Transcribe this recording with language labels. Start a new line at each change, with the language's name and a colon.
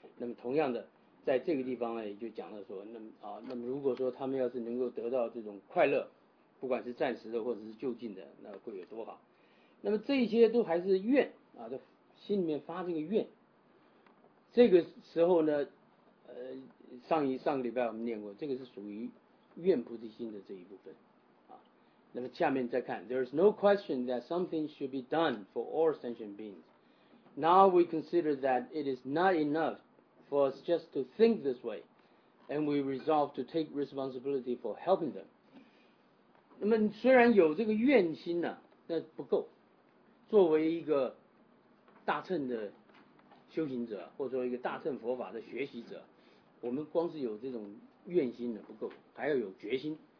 Chinese: 那么同样的，在这个地方呢，也就讲了说，那么如果说他们要是能够得到这种快乐，不管是暂时的或者是就近的，那会有多好。那么这些都还是愿啊，都心里面发这个愿。这个时候呢，上个礼拜我们念过，这个是属于愿菩提心的这一部分啊。那么下面再看
English: ，There is no question that something should be done for all sentient beings. Now we consider that it is not enough for us just to think this way, and we resolve to take responsibility for helping them.
Chinese: 那么虽然有这个愿心呢、啊，那不够。作为一个大乘的修行者，或者说一个大乘佛法的学习者，我们光是有这种愿心呢不够，还要有决心。